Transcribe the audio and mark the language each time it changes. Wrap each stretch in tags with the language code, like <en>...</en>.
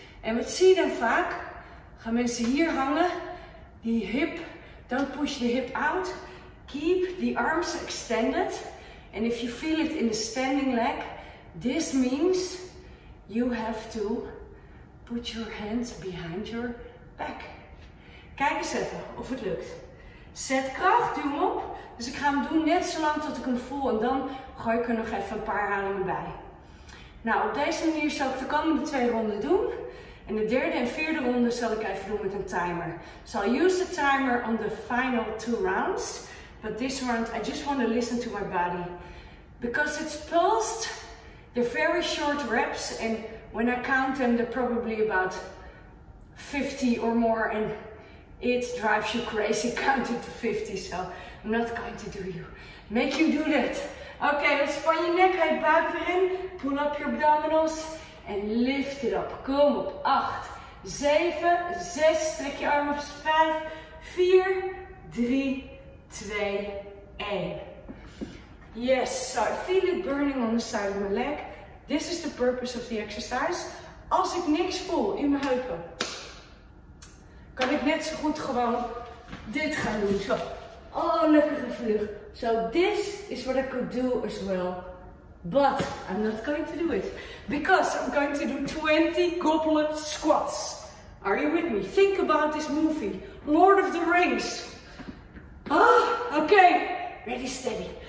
<nl>En wat zie je dan vaak? Gaan mensen hier hangen, die hip,</nl> <en>don't push the hip out. Keep the arms extended. And if you feel it in the standing leg, this means you have to put your hands behind your back.</en> <nl>Kijk eens even of het lukt. Zet kracht, duw hem op. Dus ik ga hem doen net zo lang tot ik hem voel en dan gooi ik er nog even een paar halingen bij. Nou, op deze manier zal ik de komende 2 ronden doen. En de derde en vierde ronde zal ik even doen met een timer.</nl> <en>So I'll use the timer on the final 2 rounds. But this round, I just want to listen to my body. Because it's pulsed, they're very short reps. And when I count them, they're probably about 50 or more. And it drives you crazy counting to 50. So I'm not going to do you. Make you do that. Okay, let's span your neck, hey,</en> <nl>buik weer in.</nl> <en>Pull up your abdominals.</en> <nl>En</nl> <en>lift it up.</en> <nl>Kom op. 8, 7, 6. Trek je armen op.</nl> <en>5, 4, 3, 2, 1. Yes. So I feel it burning on the side of my leg. This is the purpose of the exercise.</en> <nl>Als ik niks voel in mijn heupen, kan ik net zo goed gewoon dit gaan doen. Zo. Oh, lekker vlug.</nl> <en>So this is what I could do as well. But I'm not going to do it. Because I'm going to do 20 goblet squats. Are you with me? Think about this movie. Lord of the Rings. Ah, okay. ready, steady.</en>